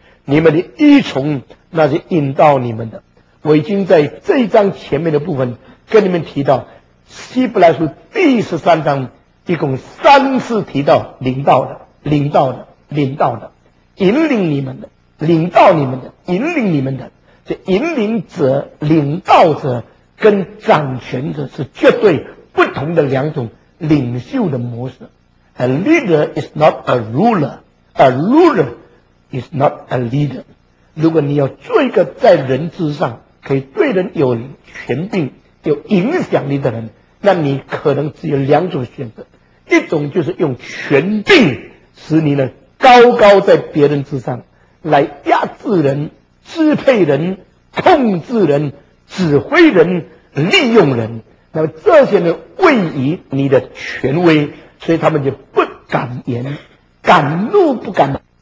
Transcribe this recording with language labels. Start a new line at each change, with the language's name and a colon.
Chinese: 你们的依从那些引导你们的，我已经在这一章前面的部分跟你们提到，希伯来书第十三章一共三次提到领导的、领导的、领导的、引领你们的、领导你们的、引领你们的。这引领者、领导者跟掌权者是绝对不同的两种领袖的模式。
English: A leader is not a ruler. A ruler is not a leader.
Chinese: 如果你要做一个在人之上可以对人有权柄有影响力的人，那你可能只有两种选择，一种就是用权柄使你呢高高在别人之上，来压制人、支配人、控制人、指挥人、利用人，那么这些呢位于你的权威，所以他们就不敢言，敢怒不敢言。